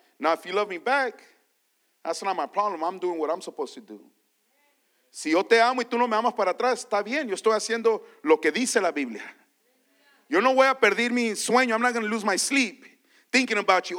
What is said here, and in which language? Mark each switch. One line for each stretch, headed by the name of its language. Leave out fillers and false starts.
English: Now, if you love me back, that's not my problem. I'm doing what I'm supposed to do.
Spanish: Si yo te amo y tú no me amas para atrás, está bien. Yo estoy haciendo lo que dice la Biblia. Yo no voy a perder mi sueño.
English: I'm not going to lose my sleep thinking about you.